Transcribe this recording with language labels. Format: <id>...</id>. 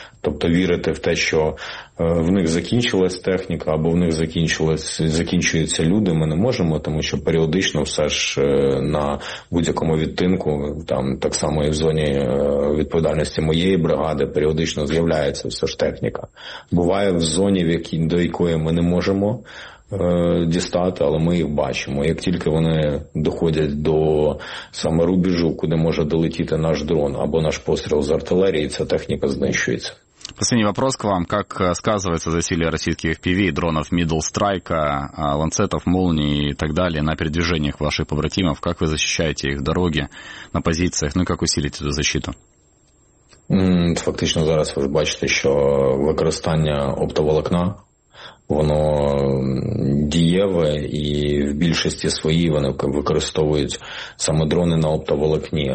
<uk>Тобто вірити в те, що в них закінчилась техніка або в них закінчуються люди, ми не можемо, тому що періодично все ж на будь-якому відтинку, там так само і в зоні відповідальності моєї бригади, періодично з'являється все ж техніка. Буває в зоні, до якої ми не можемо дістати, але ми їх бачимо. Як тільки вони доходять до саме рубежу, куди може долетіти наш дрон або наш постріл з артилерії, ця техніка знищується.</uk> <ru>Последний вопрос к вам. Как сказывается засилие российских FPV, дронов Middle Strike, ланцетов, молний и так далее на передвижениях ваших побратимов? Как вы защищаете их дороги на позициях? Ну и как усилить эту защиту?</ru> <uk>Фактично, зараз ви бачите, що використання оптоволокна, воно дієве, і в більшості своїй вони використовують саме дрони на оптоволокні.</uk>